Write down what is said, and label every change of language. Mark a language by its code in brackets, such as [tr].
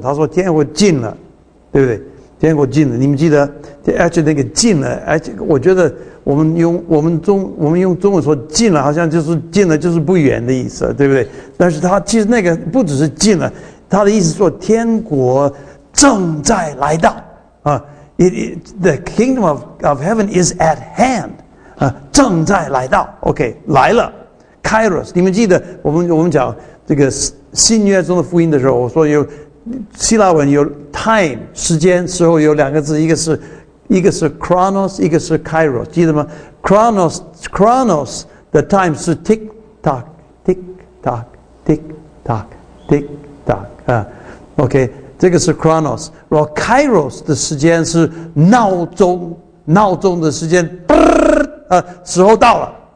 [zh] 他说天国近了，对不对？天国近了，你们记得？而且那个近了，而且我觉得我们用中文说近了，好像就是近了，就是不远的意思，对不对？但是他其实那个不只是近了，他的意思说天国正在来到啊。 [en] The kingdom of heaven is at hand [zh] 啊，正在来到。 OK， 来了 ，Kairos。你们记得我们讲这个新约中的福音的时候，我说有希腊文有 time 时间时候有两个字，一个是 chronos， 一个是 kairos， 记得吗 ？chronos 的 time 是 tick tock tick tock tick tock tick tock 啊 ，OK， 这个是 chronos， 然后 kairos 的时间是闹钟的时间，时候到了。